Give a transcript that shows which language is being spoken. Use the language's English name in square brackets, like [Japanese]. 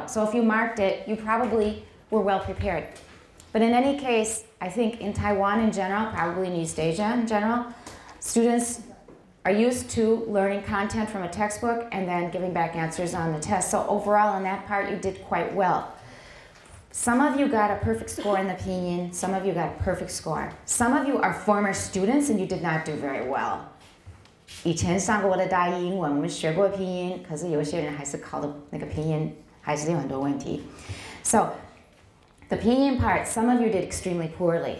[English] So if you marked it, you probably were well prepared. But in any case, I think in Taiwan in general, probably in East Asia in general, students are used to learning content from a textbook and then giving back answers on the test. So overall, on that part, you did quite well. Some of you got a perfect score in the pinyin. Some of you got a perfect score. Some of you are former students and you did not do very well. [Chinese] 以前上过我的大英文，我们学过拼音，可是有些人还是考的那个拼音还是有很多问题。 [English] So, the pinyin part, some of you did extremely poorly.